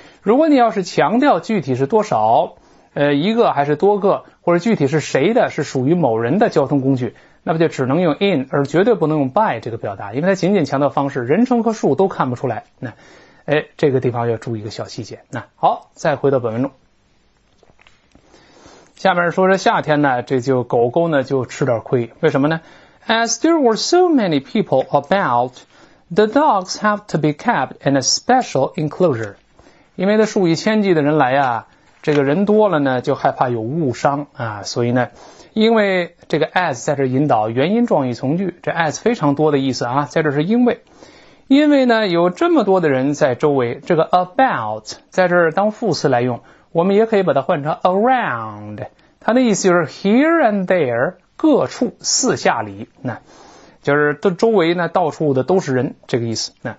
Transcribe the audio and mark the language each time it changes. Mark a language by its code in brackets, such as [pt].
[zh] 如果你要是强调具体是多少，一个还是多个，或者具体是谁的，是属于某人的交通工具，那不就只能用 in 而绝对不能用 by 这个表达，因为它仅仅强调方式，人称和数都看不出来。那这个地方要注意一个小细节。那好，再回到本文中，下面说说夏天呢，这就狗狗呢就吃点亏，为什么呢？ [en] As there were so many people about, the dogs have to be kept in a special enclosure. [zh] 因为它数以千计的人来啊，这个人多了呢就害怕有误伤啊，所以呢因为这个 as 在这引导原因状语从句，这 as 非常多的意思啊，在这是因为呢有这么多的人在周围，这个 about 在这儿当副词来用，我们也可以把它换成 around， 它的意思就是 [en] here and there， [zh] 各处四下里，那就是都周围呢到处的都是人，这个意思。